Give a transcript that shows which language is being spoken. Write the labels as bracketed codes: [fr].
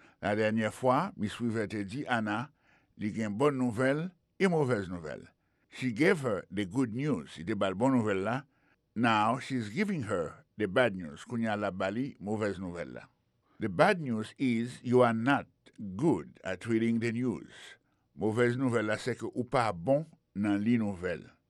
[ht] La dernière fois, Miss Weaver te dit Anna, li gen bonne nouvelle et mauvaise nouvelle. [en] She gave her the good news, the bad [ht] bonne nouvelle là. [en] Now she's giving her the bad news, [ht] kounya la bali mauvaise nouvelle là. [en] The bad news is you are not good at reading the news. [ht] Mauvaise nouvelle là, c'est que ou pas bon nan li nouvelle.